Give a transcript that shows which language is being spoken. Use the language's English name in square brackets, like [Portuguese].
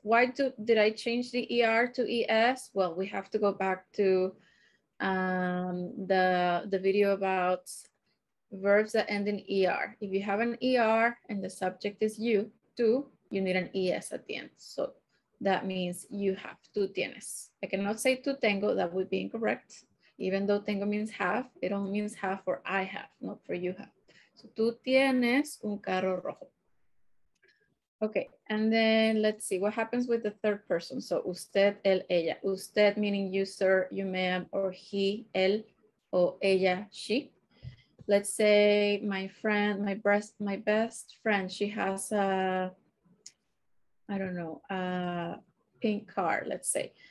[English] Why did I change the ER to ES? Well, we have to go back to the video about verbs that end in ER. If you have an ER and the subject is you, tu, you need an ES at the end. So that means you have, tu tienes. I cannot say tu tengo, that would be incorrect. Even though tengo means have, it only means have for I have, not for you have. [Spanish] So tu tienes un carro rojo. [English] Okay, and then let's see what happens with the third person. So usted, él, ella. Usted meaning you, sir, you, ma'am, or he, él, or ella, she. Let's say my friend, my best friend, she has a, I don't know, a pink car, let's say.